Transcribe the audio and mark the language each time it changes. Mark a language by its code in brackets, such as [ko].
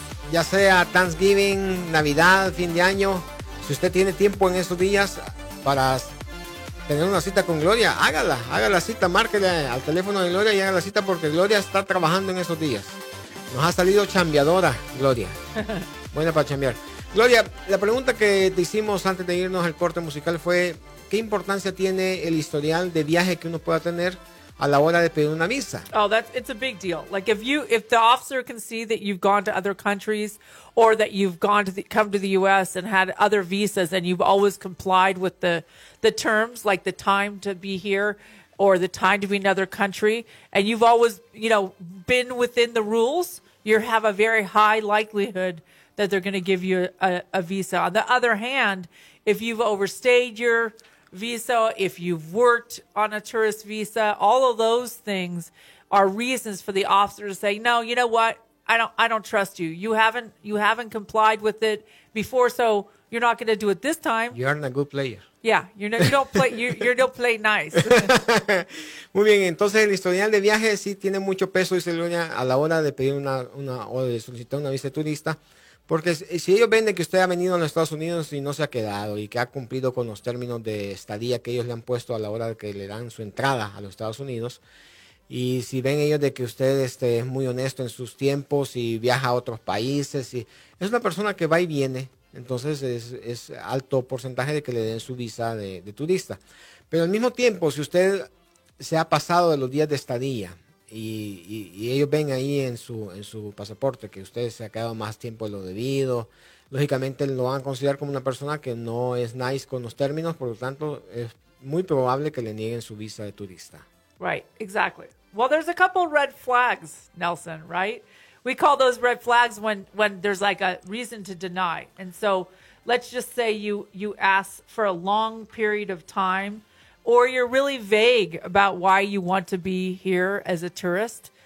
[es] Ya sea Thanksgiving, Navidad, fin de año. Si usted tiene tiempo en esos días para tener una cita con Gloria, hágala cita, márquele al teléfono de Gloria y haga la cita, porque Gloria está trabajando en esos días. Nos ha salido chambeadora, Gloria. Buena para chambear. Gloria, la pregunta que te hicimos antes de irnos al corte musical fue: ¿qué importancia tiene el historial de viaje que uno pueda tener a la hora de pedir una visa? [en] Oh, it's a big deal. Like if the officer can see that you've gone to other countries or that you've come to the U.S. and had other visas and you've always complied with the terms, like the time to be here or the time to be in another country, and you've always, you know, been within the rules, you have a very high likelihood that they're going to give you a visa. On the other hand, if you've overstayed your visa, if you've worked on a tourist visa, all of those things are reasons for the officer to say, no, you know what? I don't trust you. You haven't complied with it before, so you're not going to do it this time. You aren't a good player. Yeah, you don't play nice. [es] Muy bien, entonces el historial de viaje sí tiene mucho peso, dice Luna, a la hora de pedir una o de solicitar una visa turista. Porque si ellos ven de que usted ha venido a los Estados Unidos y no se ha quedado y que ha cumplido con los términos de estadía que ellos le han puesto a la hora de que le dan su entrada a los Estados Unidos, y si ven ellos de que usted es muy honesto en sus tiempos y viaja a otros países, y es una persona que va y viene, entonces es alto porcentaje de que le den su visa de turista. Pero al mismo tiempo, si usted se ha pasado de los días de estadía, Y ellos ven ahí en su pasaporte que usted se ha quedado más tiempo de lo debido, lógicamente lo van a considerar como una persona que no es nice con los términos, por lo tanto es muy probable que le nieguen su visa de turista. [en] Right, exactly. Well, there's a couple red flags, Nelson, right? We call those red flags when there's like a reason to deny. And so let's just say you ask for a long period of time, or you're really vague about why you want to be here as a tourist.